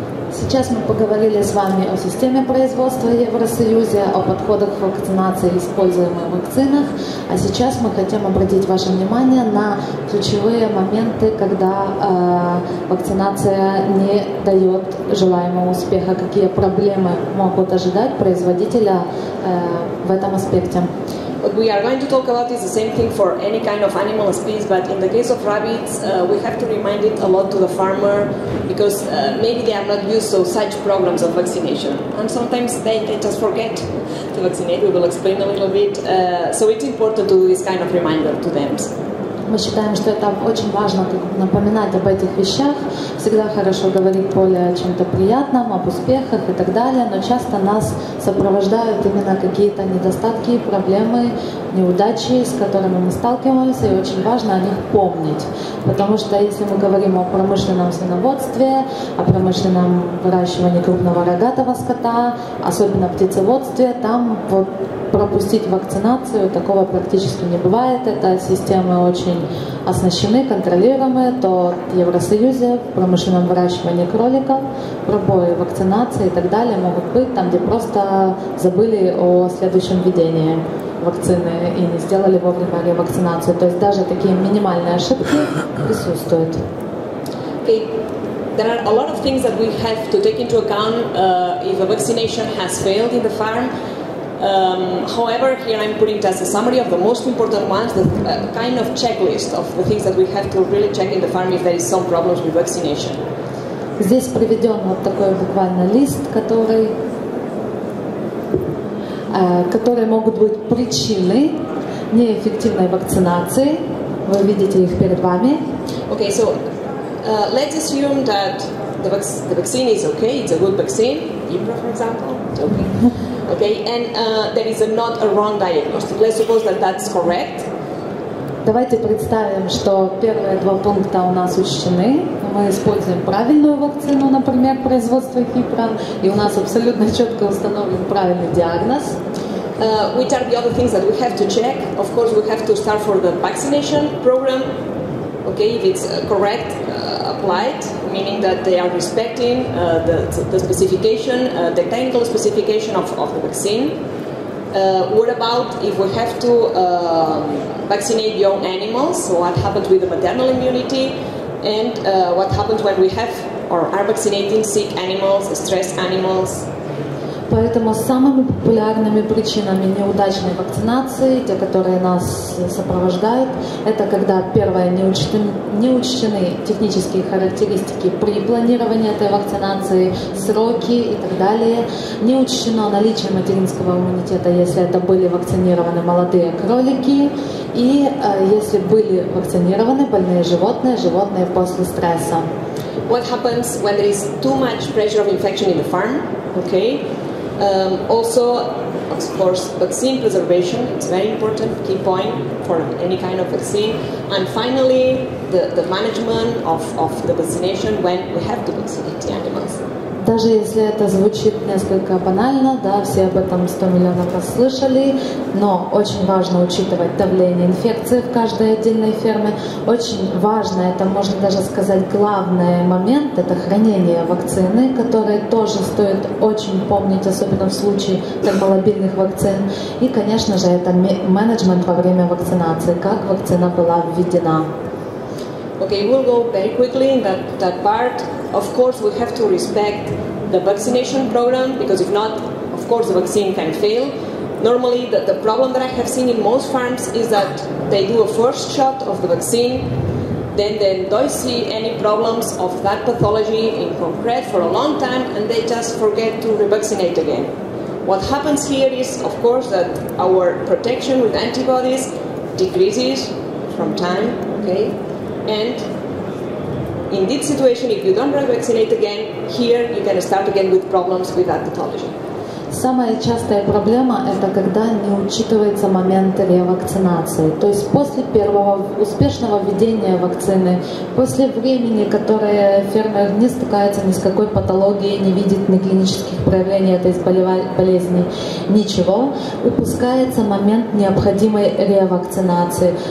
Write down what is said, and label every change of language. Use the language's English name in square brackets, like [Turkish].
[Russian] Сейчас мы поговорили с вами о системе производства Евросоюза, о подходах к вакцинации, используемых в вакцинах, а сейчас мы хотим обратить ваше внимание на ключевые моменты, когда вакцинация не дает желаемого успеха, какие проблемы могут ожидать производителя в этом аспекте. [English] what we are going to talk about is the same thing for any kind of animal species, but in the case of rabbits, we have to remind it a lot to the farmer, because maybe they are not used to such programs of vaccination. And sometimes they just forget to vaccinate. We will explain a little bit. So it's important to do this kind of reminder to them. [Russian] Мы считаем, что это очень важно, как напоминать об этих вещах. Всегда хорошо говорить более о чем-то приятном, об успехах и так далее, но часто нас сопровождают именно какие-то недостатки, проблемы, неудачи, с которыми мы сталкиваемся, и очень важно о них помнить. Потому что если мы говорим о промышленном свиноводстве, о промышленном выращивании крупного рогатого скота, особенно птицеводстве, там вот пропустить вакцинацию такого практически не бывает. Это системы очень оснащены, контролируемы. То в Евросоюзе в промышленном выращивании кроликов пробои вакцинации и так далее могут быть там, где просто забыли о следующем введении вакцины и не сделали вовремя ревакцинацию. То есть даже такие минимальные ошибки присутствуют. [English] There are a lot of things that we have to take into account if a vaccination has failed in the farm. However, here I'm putting just a summary of the most important ones, the kind of checklist of the things that we have to really check in the farm if there is some problems with vaccination. [Russian] Здесь приведен вот такой буквально лист, который, которые могут быть причины неэффективной вакцинации. Вы видите их перед вами. [English] Okay, so let's assume that the vaccine is okay, it's a good vaccine, Ibra, for example, it's okay. Okay, and there is not a wrong diagnosis. Let's suppose that that's correct. [Russian] Давайте представим, что первые два пункта у нас учтены. Мы используем правильную вакцину, например, производство Хипра, и у нас абсолютно четко установлен правильный диагноз. [English] Which are the other things that we have to check? Of course, we have to start for the vaccination program. Okay, if it's correct, applied, meaning that they are respecting the specification, the technical specification of the vaccine. What about if we have to vaccinate young animals? So what happens with the maternal immunity? And what happens when we have or are vaccinating sick animals, stressed animals? [Russian] Поэтому самыми популярными причинами неудачной вакцинации, те, которые нас сопровождают, это когда, первое, не учтены технические характеристики при планировании этой вакцинации, сроки и так далее, не учтено наличие материнского иммунитета, если это были вакцинированы молодые кролики, и если были вакцинированы больные животные, животные после стресса. [English] What happens when there is too much pressure of infection in the farm? Okay. Also, of course, vaccine preservation is very important key point for any kind of vaccine. And finally, the management of the vaccination when we have to vaccinate the animals. [Russian] Даже если это звучит несколько банально, да, все об этом 100 миллионов раз слышали, но очень важно учитывать давление инфекции в каждой отдельной ферме. Очень важно, это можно даже сказать главный момент, это хранение вакцины, которое тоже стоит очень помнить, особенно в случае термолабильных вакцин. И, конечно же, это менеджмент во время вакцинации, как вакцина была введена. [English] Okay, we'll go very quickly in that part. Of course, we have to respect the vaccination program, because if not, of course, the vaccine can fail. Normally, the problem that I have seen in most farms is that they do a first shot of the vaccine, then they don't see any problems of that pathology in concrete for a long time, and they just forget to revaccinate again. What happens here is, of course, that our protection with antibodies decreases from time, okay? And in this situation, if you don't revaccinate again, here you can start again with problems with that pathology. [Russian] Самая частая проблема – это когда не учитывается момент ревакцинации. То есть после первого успешного введения вакцины, после времени, которое фермер не стыкается ни с какой патологией, не видит ни клинических проявлений этой болезни, ничего, упускается момент необходимой ревакцинации.